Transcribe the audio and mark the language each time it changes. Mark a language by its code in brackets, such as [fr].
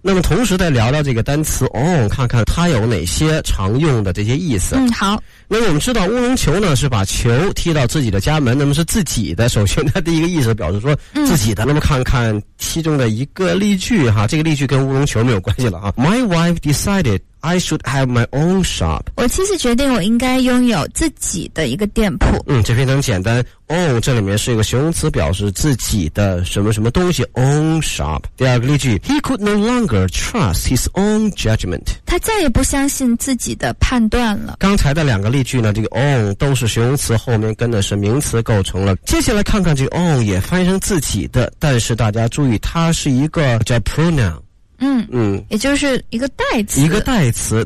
[zh] 那么同时再聊聊这个单词 on， 看看它有哪些常用的这些意思。嗯，好。那么我们知道乌龙球呢是把球踢到自己的家门，那么是自己的，首先它第一个意思表示说自己的、嗯、那么看看其中的一个例句哈，这个例句跟乌龙球没有关系了啊。 [en] My wife decided I should have my own shop。 [zh] 我其实决定我应该拥有自己的一个店铺。嗯，这篇很简单， own 这里面是一个形容词，表示自己的什么什么东西， own shop。第二个例句， [en] He could no longer trust his own judgment。 [zh] 他再也不相信自己的判断了。刚才的两个例句呢，这个 own 都是形容词，后面跟的是名词构成了。接下来看看这个 own 也翻译成自己的，但是大家注意它是一个叫 pronoun。嗯嗯，也就是一个代词，一个代词。